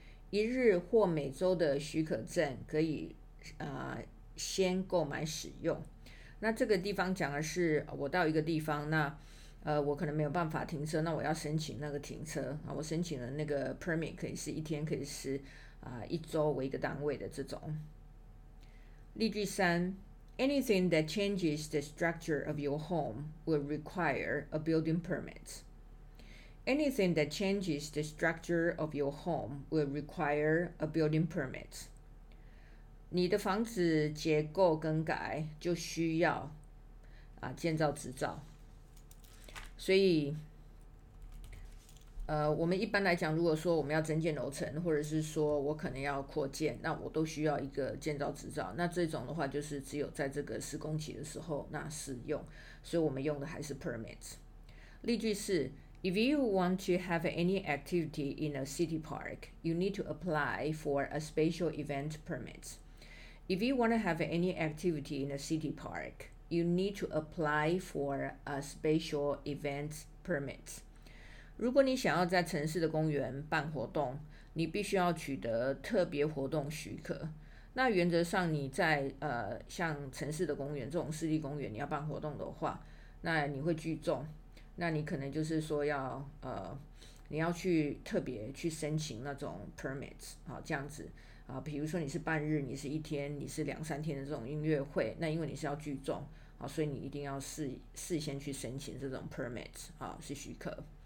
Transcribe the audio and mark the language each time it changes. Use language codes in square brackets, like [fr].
[zh] 一日或每周的许可证可以、先购买使用。那这个地方讲的是我到一个地方，那、我可能没有办法停车，那我要申请那个停车。我申请了那个 permit， 可以是一天，可以是一周为一个单位的这种。例句三， [en] Anything that changes the structure of your home will require a building permit. Anything that changes the structure of your home will require a building permit. [zh] 你的房子结构更改就需要、建造执照。所以我们一般来讲，如果说我们要增建楼层，或者是说我可能要扩建，那我都需要一个建造执照。那这种的话就是只有在这个施工期的时候那适用，所以我们用的还是 permit。例句是， [en] If you want to have any activity in a city park, you need to apply for a special event permit. If you want to have any activity in a city park, you need to apply for a special event permit. [zh] 如果你想要在城市的公园办活动，你必须要取得特别活动许可。那原则上你在、像城市的公园这种市立公园你要办活动的话，那你会聚众，那你可能就是说要、你要去特别去申请那种 permits， 好，这样子啊，比如说你是半日，你是一天，你是两三天的这种音乐会，那因为你是要聚众，好，所以你一定要 事先去申请这种 permits， 好，是许可。